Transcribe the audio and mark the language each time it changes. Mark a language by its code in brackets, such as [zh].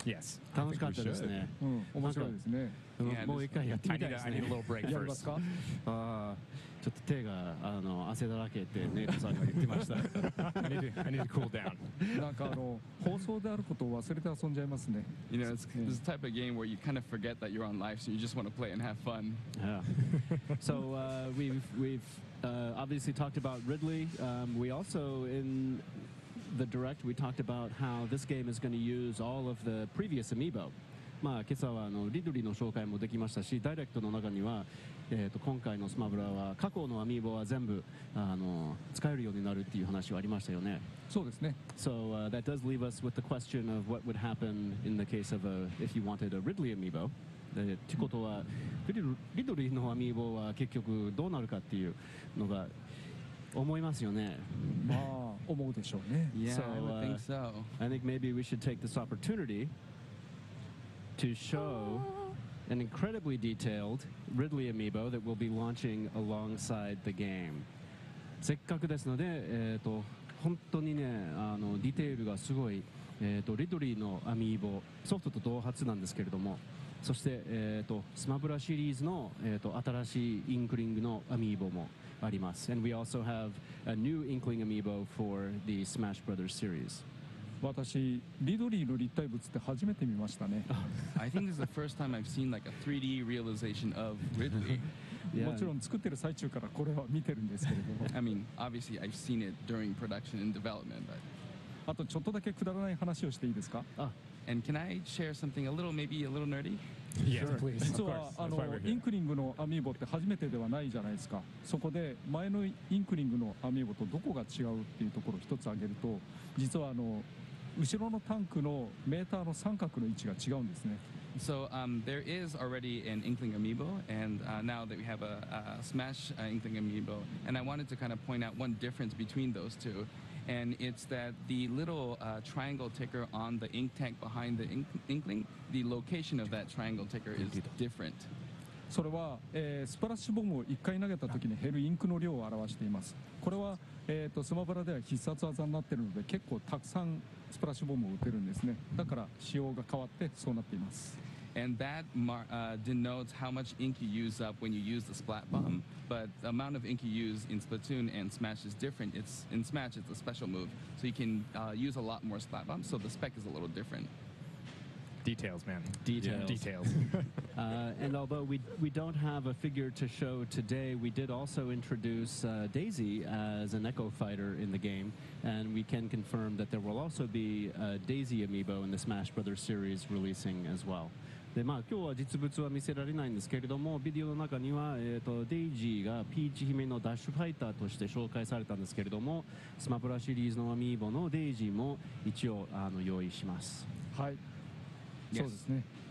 [en] Yes. [ja] 楽しかったですね。うん、面白いですね。もう一回やってみたいですね。 [en] I need a little break first. [ja] やりますか？ちょっと手が汗だらけってネイトさんが言ってました。 [en] I need to cool down. [ja] なんか放送であることを忘れて遊んじゃいますね。 [en] You know, it's the type of game where you kind of forget that you're on live, so you just want to play and have fun. Yeah. So we've obviously talked about Ridley. We also in the direct we talked about how this game is going to use all of the previous amiibo. [ja] まあ、今朝はリドリーの紹介もできましたし、ダイレクトの中には、今回のスマブラは過去のアミーボは全部使えるようになるっていう話はありましたよね。そうですね。 [en] So, that does leave us with the question of what would happen in the case of if you wanted a Ridley amiibo. [ja] ってことは、リドリーのアミーボは結局どうなるかっていうのが思いますよね。まあ、思うでしょうね。 [en] Yeah, so, I would think so. I think maybe we should take this opportunity. To show an incredibly detailed Ridley amiibo that will be launching alongside the game. [ja] せっかくですので、本当にね、ディテールがすごい、リドリーのアミーボソフトと同発なんですけれども、そして、スマブラシリーズの、新しいインクリングのアミーボもあります。 [en] And we also have a new Inkling amiibo for the Smash Brothers series. [ja] 私リドリーの立体物って初めて見ましたね。 [en] I think this is the first time I've seen like a 3D realization of Ridley. [ja] もちろん作ってる最中からこれは見てるんですけれども。 [en] I mean, obviously I've seen it during production and development, but. [ja] あとちょっとだけくだらない話をしていいですか？ [en] And can I share something a little, maybe a little nerdy? Yes, sure, please. [ja] 実はインクリングのアミーボって初めてではないじゃないですか。そこで前のインクリングのアミーボとどこが違うっていうところを一つ挙げると、実は後ろのタンクのメーターの三角の位置が違うんですね。 [en] So, there is already an Inkling amiibo, and now that we have a Smash Inkling amiibo, and I wanted to kind of point out one difference between those two, and it's that the little triangle ticker on the ink tank behind the Inkling, the location of that triangle ticker is different. [ja] それは、スプラッシュボムを1回投げた時に減るインクの量を表しています。これは、スマブラでは必殺技になっているので結構たくさんスプラッシュボムを打てるんですね。だから仕様が変わってそうなっています。 [en] And that denotes how much ink you use up when you use the splat bomb. But the amount of ink you use in Splatoon and Smash is different. It's in Smash it's a special move, so you can use a lot more splat bombs. So the spec is a little different. Details, man. Details. Yeah. Details. And although we don't have a figure to show today, we did also introduce Daisy as an Echo Fighter in the game. And we can confirm that there will also be a Daisy amiibo in the Smash Brothers series releasing as well. [ja] でまあ、今日は実物は見せられないんですけれどもビデオの中には、デイジーがピーチ姫のダッシュファイターとして紹介されたんですけれどもスマブラシリーズのアミーボのデイジーも一応用意します。はい、そうですね。